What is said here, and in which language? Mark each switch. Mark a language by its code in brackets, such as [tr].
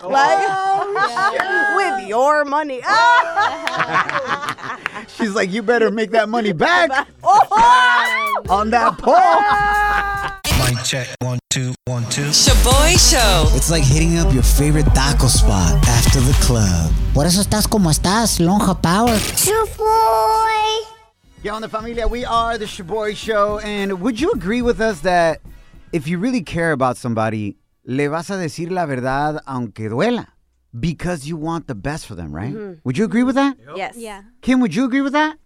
[en] With your money. She's like, you better make that money back on that poll. Mic check. 1, 2, 1, 2. Shaboy Show. It's like hitting up your favorite taco spot after the club. [es] Por eso estás como estás, Lonja Power. [en] Shaboy. Yo, on the familia, we are the Shaboy Show. And would you agree with us that if you really care about somebody, [es] le vas a decir la verdad aunque duela? [en] Because you want the best for them, right? Mm-hmm. Would you agree with that? Yep. Yes. Yeah. Kim, would you agree with that?